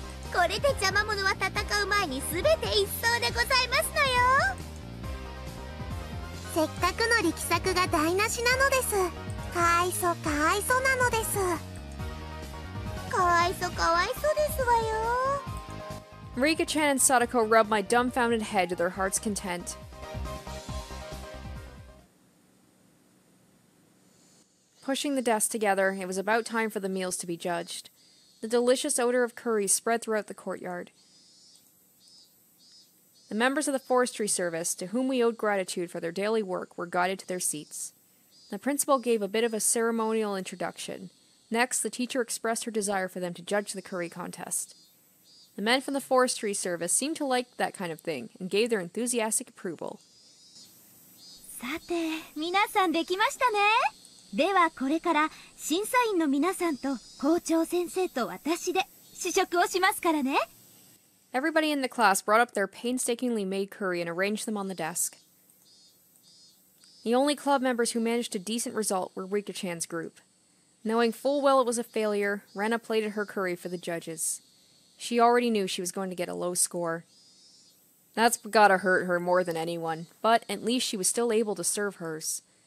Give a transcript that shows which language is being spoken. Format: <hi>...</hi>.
<ja>これで邪魔者は戦う前に全て一掃でございますのよ。せっかくの力作が台無しなのです。かわいそかわいそなのです。かわいそかわいそですわよ。</ja> <en>Rika-chan and Sadako rubbed my dumbfounded head to their heart's content. Pushing the desk together, it was about time for the meals to be judged. The delicious odor of curry spread throughout the courtyard. The members of the forestry service, to whom we owed gratitude for their daily work, were guided to their seats. The principal gave a bit of a ceremonial introduction, Next, the teacher expressed her desire for them to judge the curry contest. The men from the forestry service seemed to like that kind of thing and gave their enthusiastic approval.</en> <ja>さて、皆さんできましたね。ではこれから審査員の皆さんと校長先生と私で試食をしますからね。</ja> <en>Everybody in the class brought up their painstakingly made curry and arranged them on the desk. The only club members who managed a decent result were Rika-chan's group. Knowing full well it was a failure, Rena plated her curry for the judges. She already knew she was going to get a low score. That's gotta hurt her more than anyone, but at least she was still able to serve hers.</en>